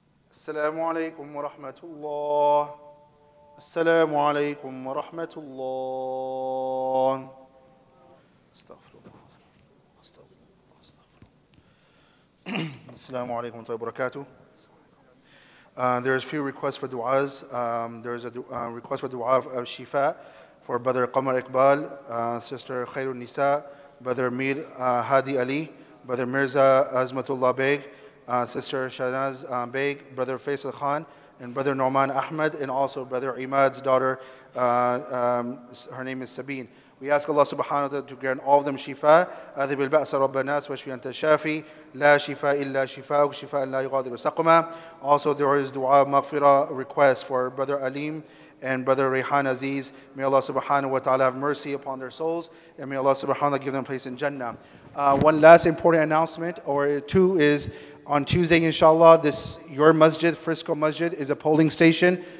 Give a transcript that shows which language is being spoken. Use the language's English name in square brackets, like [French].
[Arabic] السلام عليكم ورحمة الله. السلام عليكم ورحمة الله. استغفر الله. استغفر الله. السلام عليكم ورحمة الله وبركاته. [English] There is few requests for du'as. There is a request for du'a of Shifa for Brother Qamar Iqbal, Sister Khairul Nisa, Brother Mir Hadi Ali, Brother Mirza Azmatullah Beg, Sister Shahnaz Beg, Brother Faisal Khan, and Brother Norman Ahmed, and also Brother Imad's daughter, her name is Sabine. We ask Allah subhanahu wa ta'ala to grant all of them shifa. [Arabic] أذهب البأس رب الناس واشفي أنت الشافي. لا شفاء إلا شفاءك شفاء لا يغادر سقما. [English] Also, there is dua maghfira request for Brother Alim and Brother Rehan Aziz. May Allah subhanahu wa ta'ala have mercy upon their souls, and may Allah subhanahu wa ta'ala give them place in Jannah. One last important announcement, or two, is on Tuesday, inshallah, this your masjid, Frisco Masjid, is a polling station.